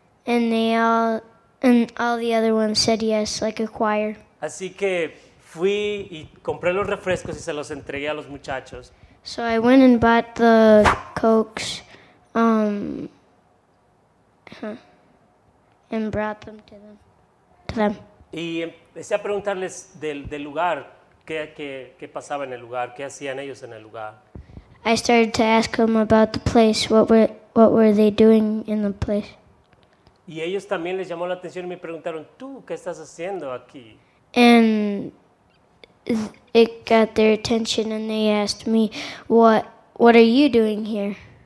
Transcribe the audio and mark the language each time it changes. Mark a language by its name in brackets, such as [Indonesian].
[English] And all the other ones said yes, like a choir. [Spanish] Así que fui y compré los refrescos y se los entregué a los muchachos. [English] So I went and bought the Cokes and brought them to them. [Spanish] Y empecé a preguntarles del lugar, qué pasaba en el lugar, qué hacían ellos en el lugar. [English] I started to ask them about the place, what were they doing in the place. [Spanish] Y ellos también les llamó la atención y me preguntaron, ¿tú qué estás haciendo aquí? [English] And it got their attention and they asked me, what are you doing here?